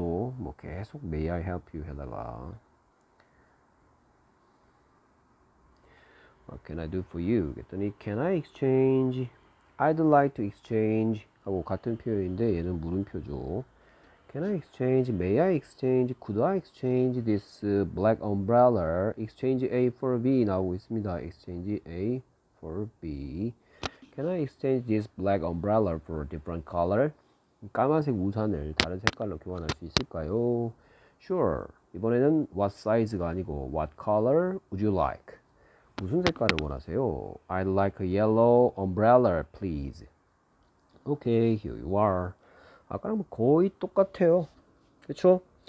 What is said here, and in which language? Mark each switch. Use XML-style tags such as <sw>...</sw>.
<ko>뭐 계속</ko> <en>May I help you 해다가 What can I do for you?</en> <ko>그랬더니</ko> <en>Can I exchange? I'd like to exchange.</en> <ko>하고 같은 표현인데 얘는 물음표죠.</ko> <en>Can I exchange? May I exchange? Could I exchange this black umbrella? Exchange A for B</en> <ko>나오고 있습니다.</ko> <en>Exchange A for B. Can I exchange this black umbrella for a different color?</en> <ko>까만색 우산을 다른 색깔로 교환할 수 있을까요?</ko> <en>Sure.</en> <ko>이번에는</ko> <en>what size가 아니고 what color would you like?</en> <ko>무슨 색깔을 원하세요?</ko> <en>I'd like a yellow umbrella, please. Okay, here you are.</en> <ko>아까랑 거의 똑같아요. 그쵸?</ko>